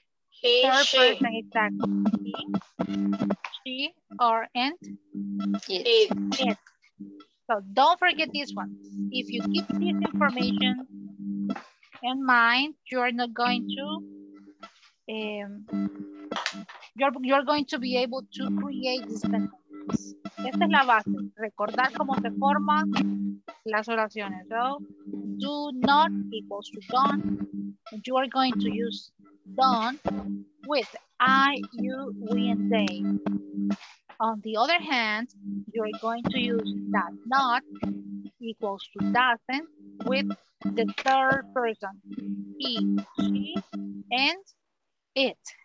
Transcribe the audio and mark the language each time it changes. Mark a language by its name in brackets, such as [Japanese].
[English] He, third she. Person, exactly. He, she or and? It. It. So don't forget this one. If you keep this information in mind, you are not going to, you're going to be able to create this sentence. [Spanish] Esta es la base, recordar cómo se forman las oraciones. [English] So do not equals to don't, and you are going to use don't with I, you, we, and they. On the other hand, you're going to use that not equals to doesn't with the third person, he, she, and it.